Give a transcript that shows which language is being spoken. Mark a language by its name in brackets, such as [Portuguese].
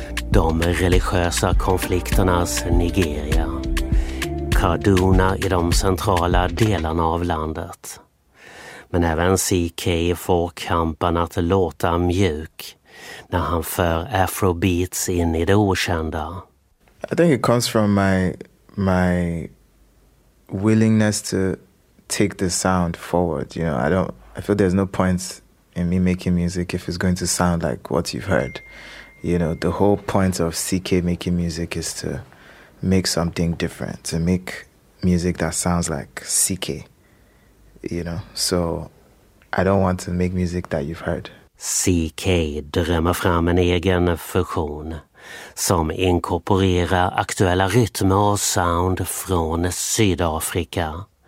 [Swedish] De religiösa konflikternas Nigeria. Kaduna i de centrala delarna av landet. Men även CK får kampen att låta mjuk när han för afrobeats in i det okända. [English] I think it comes from my willingness to take the sound forward, you know. I feel there's no point in me making music if it's going to sound like what you've heard. You know, the whole point of CK making music is to make something different, to make music that sounds like CK, you know. So I don't want to make music that you've heard. [Swedish] CK drömmer fram en egen fusion som inkorporerar aktuella rytmer och sound från Sydafrika.